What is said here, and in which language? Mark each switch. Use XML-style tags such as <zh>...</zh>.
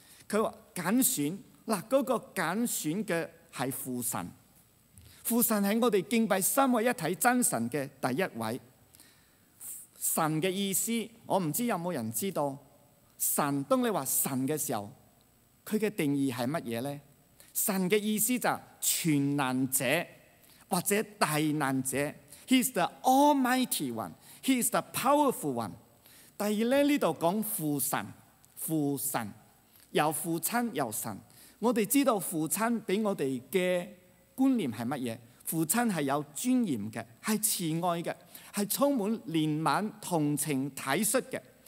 <zh>他说拣选，那个拣选的是父神，父神是我们敬拜三位一体真神的第一位。神的意思，我不知道有没有人知道，神，当你说神的时候，他的定义是什么呢？神的意思就是全能者或者大能者。</zh> <en>He is the almighty one, He is the powerful one。</en> <zh>第二呢，这里讲父神，父神由父亲由神，我们知道父亲给我们的观念是什么？父亲是有尊严的，是慈爱的，是充满怜悯同情体恤的。</zh>